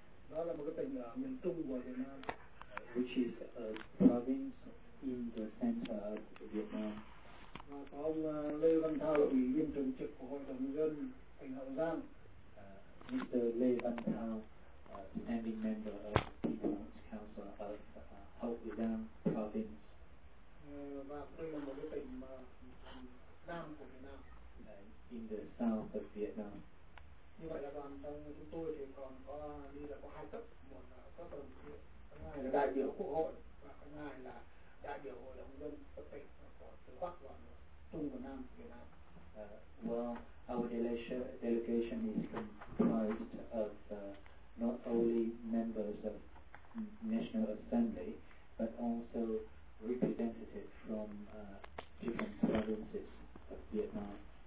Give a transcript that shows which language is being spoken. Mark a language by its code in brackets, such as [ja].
[vi] Đó là một cái tỉnh ở miền trung của Việt Nam, [en] which is a province in the center of Vietnam. [vi] Và có ông Lê Văn Thơ, ủy viên thường trực của Hội đồng nhân dân tỉnh Hậu Giang. [en] Mr. Lê Văn Thơ, standing member of the People's Council of Hậu Giang province. [vi] Và đây là một cái tỉnh mà nam của Việt Nam. [en] In the south of Vietnam. [vi] Như vậy là đoàn trong chúng tôi thì còn có đi là có hai cấp, một là cấp đồng chí, cái hai là đại biểu quốc hội, và cái hai là đại biểu hội đồng dân cấp tỉnh của tứ bắc và trung của nam Việt Nam. [en] Well, our delegation is comprised of not only members of National Assembly but also representatives from different provinces of Vietnam.